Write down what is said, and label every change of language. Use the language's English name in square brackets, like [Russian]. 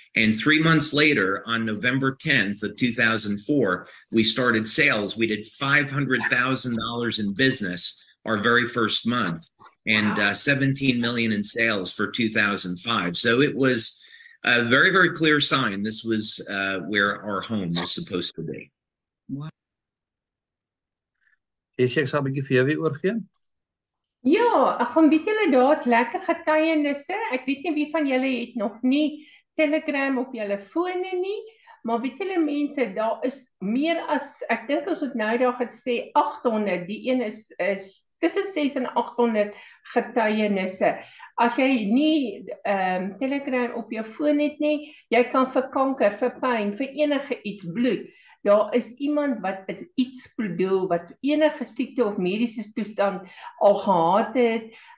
[English] And 3 months later, on November 10th of 2004, we started sales. We did $500,000 in business our very first month, and 17 million in sales for 2005. So it was a very, very clear sign this was where our home was supposed to be. [Afrikaans] Jessie, ek sal 'n bietjie vir jou weer oorgee. Ja, ek gaan bietjie lê, daar's lekker getuienisse. Ek weet nie wie van julle het nog nie Telegram op julle fone nie, maar weet julle mense, daar is meer as, ek dink ons het nou daar gesê 800, die een is tussen 6 en 800 getuienisse. As jy nie Telegram op jou foon het nie, jy kan vir kanker, vir pyn, vir enige iets bloed. Daar is iemand wat iets bedoel, wat enige siekte of mediese toestand al gehad het.